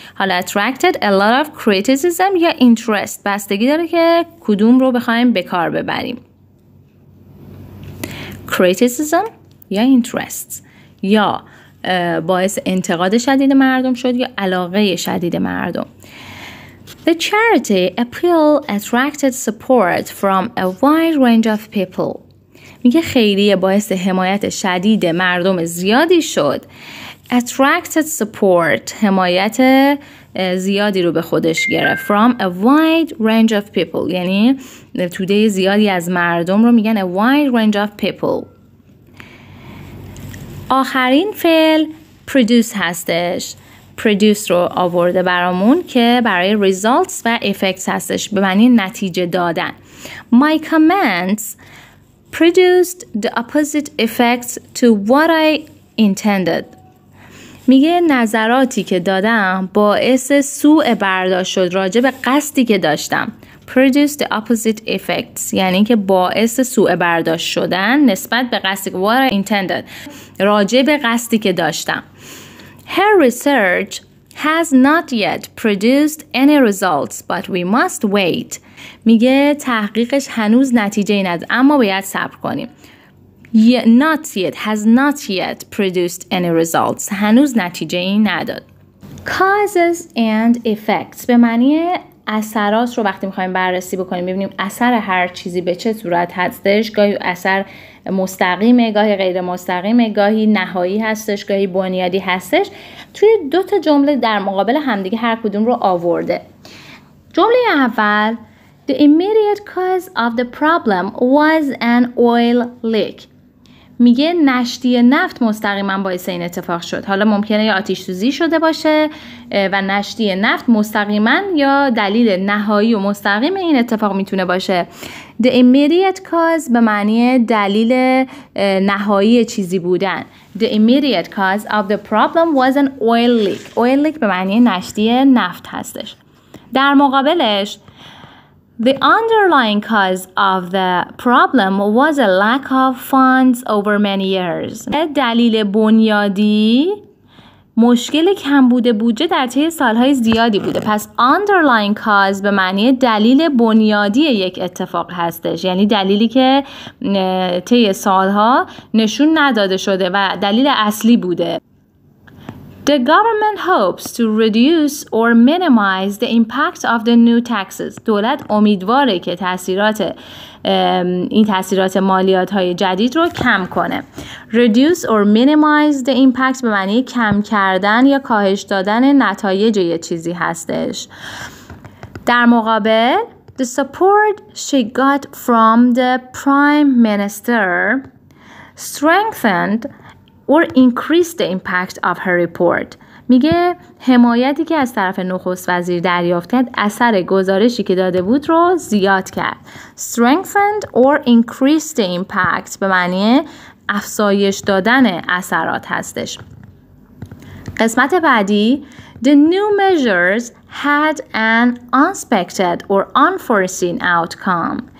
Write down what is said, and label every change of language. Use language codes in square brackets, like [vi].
[fa] حالا [en] attracted a lot of criticism [fa] یا interest بستگی داره که کدوم رو بخوایم به کار ببریم. Criticism یا interest یا باعث انتقاد شدید مردم شد یا علاقه شدید مردم. [en] The charity appeal attracted support from a wide range of people. [fa] میگه خیریه باعث حمایت شدید مردم زیادی شد. [en] Attracted support [fa] حمایت زیادی رو به خودش گرفت. [en] From a wide range of people [fa] یعنی توده زیادی از مردم رو میگن [en] a wide range of people. [fa] آخرین فعل produce هستش. Produce رو آورده برامون که برای results و effects هستش به معنی نتیجه دادن. [en] My comments produced the opposite effects to what I intended. [fa] میگه نظراتی که دادم باعث سوء برداشت شد راجع به قصدی که داشتم. [en] Produced the opposite effects [fa] یعنی که باعث سوء برداشت شدن نسبت به قصدی که [en] what I intended [fa] راجع به قصدی که داشتم. [en] Her research has not yet produced any results, but we must wait. [fa] میگه تحقیقش هنوز نتیجه نداد اما باید صبر کنیم. [en] Has not yet produced any results. [fa] هنوز نتیجه ای نداد. [en] Causes and effects [fa] به معنی اثرات رو وقتی میخواییم بررسی بکنیم ببینیم اثر هر چیزی به چه صورت هستش. گاهی اثر مستقیمه، گاهی غیر مستقیمه، گاهی نهایی هستش، گاهی بنیادی هستش. توی دو تا جمله در مقابل همدیگه هر کدوم رو آورده. جمله اول [en] The immediate cause of the problem was an oil leak. [fa] میگه نشتی نفت مستقیما باعث این اتفاق شد. حالا ممکنه یا آتش سوزی شده باشه و نشتی نفت مستقیما یا دلیل نهایی و مستقیم این اتفاق میتونه باشه. [en] The immediate cause [fa] به معنی دلیل نهایی چیزی بودن. [en] The immediate cause of the problem was an oil leak. [fa] Oil leak به معنی نشتی نفت هستش. در مقابلش [en] The underlying cause of the problem was a lack of funds over many years. [fa] دلیل بنیادی مشکل کمبود بودجه در طی سالهای زیادی بوده. پس underlying cause به معنی دلیل بنیادی یک اتفاق هستش. یعنی دلیلی که طی سالها نشون نداده شده و دلیل اصلی بوده. [en] The government hopes to reduce or minimize the impact of the new taxes. [fa] دولت امیدواره که تاثیرات این تاثیرات مالیات‌های جدید رو کم کنه. [en] Reduce or minimize the impact [fa] به معنی کم کردن یا کاهش دادن نتایج یه چیزی هستش. در مقابل [en] the support she got from the prime minister strengthened or increase the impact of her report. [fa] میگه حمایتی که از طرف نخست وزیر دریافت کرد اثر گزارشی که داده بود رو زیاد کرد. [en] Strengthened or increase the impact [fa] به معنی افزایش دادن اثرات هستش. قسمت بعدی [en] The new measures had an unexpected or unforeseen outcome.